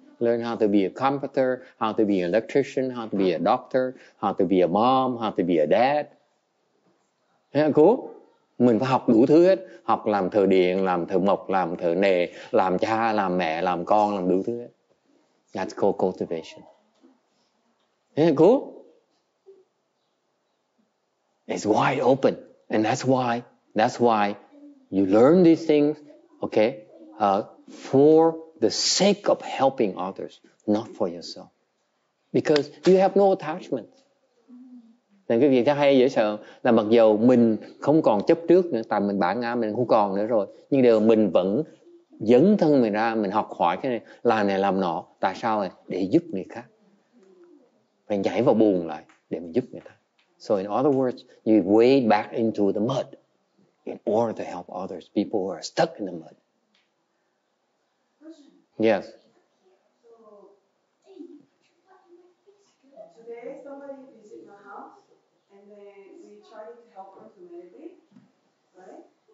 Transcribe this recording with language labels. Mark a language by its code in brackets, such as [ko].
[en] Learn how to be a computer, how to be an electrician, how to be a doctor, how to be a mom, how to be a dad. Yeah, cool. [vi] Mình phải học đủ thứ hết. Học làm thợ điện, làm thợ mộc, làm thợ nề, làm cha, làm mẹ, làm con, làm đủ thứ hết. [en] That's called cultivation. Yeah, cool. It's wide open, and that's why. You learn these things, okay, for the sake of helping others, not for yourself. Because you have no attachment. [vi] Nên cái việc hay dễ sợ là mặc dù mình không còn chấp trước nữa, tại mình bản ngã mình không còn nữa rồi, nhưng đều mình vẫn dấn thân mình ra, mình học hỏi cái này làm nọ. Tại sao này? Để giúp người khác. Phải nhảy vào bùn lại để mình giúp người ta. [en] So in other words, you wade back into the mud. In order to help others, people who are stuck in the mud. Question. Yes. So, hey, what today somebody is in my house, and then we try to help her to meditate, right?